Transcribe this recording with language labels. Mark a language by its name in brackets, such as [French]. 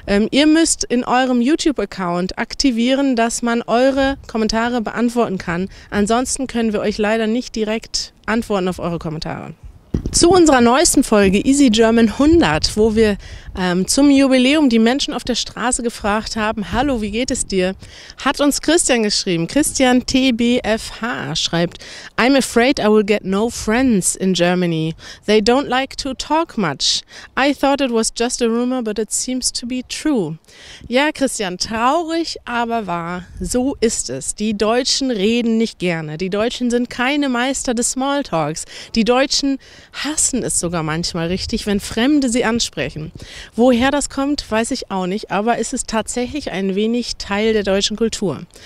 [German] Ihr müsst in eurem YouTube-Account aktivieren, dass man eure Kommentare beantworten kann. Ansonsten können wir euch leider nicht direkt antworten auf eure Kommentare. Zu unserer neuesten Folge Easy German 100, wo wir zum Jubiläum die Menschen auf der Straße gefragt haben: Hallo, wie geht es dir? Hat uns Christian geschrieben. [English] Christian TBFH schreibt: I'm afraid I will get no friends in Germany. They don't like to talk much. I thought it was just a rumor, but it seems to be true. [German] Ja, Christian, traurig, aber wahr. So ist es. Die Deutschen reden nicht gerne. Die Deutschen sind keine Meister des Smalltalks. Die Deutschen hassen es sogar manchmal richtig, wenn Fremde sie ansprechen. Woher das kommt, weiß ich auch nicht, aber ist es tatsächlich ein wenig Teil der deutschen Kultur.